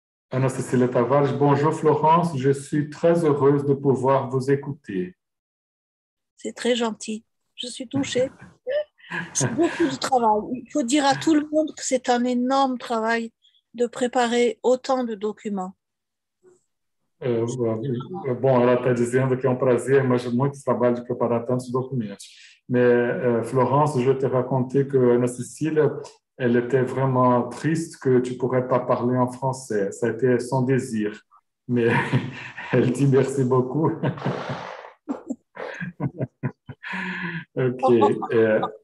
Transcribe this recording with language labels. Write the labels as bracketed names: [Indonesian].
[French] Ana Cecília Tavares, bonjour Florence, je suis très heureuse de pouvoir vous écouter. C'est très gentil, je suis touchée. C'est beaucoup de travail. Il faut dire à tout le monde que c'est un énorme travail de préparer autant de documents. [Portuguese] Bon, ela está dizendo que é um prazer, mas muito trabalho de preparar tantos documentos. [French] Mais Florence, je vais te raconter que Ana Cecília, elle était vraiment triste que tu ne pourrais pas parler en français. Ça a été son désir. Mais elle dit merci beaucoup. Ok.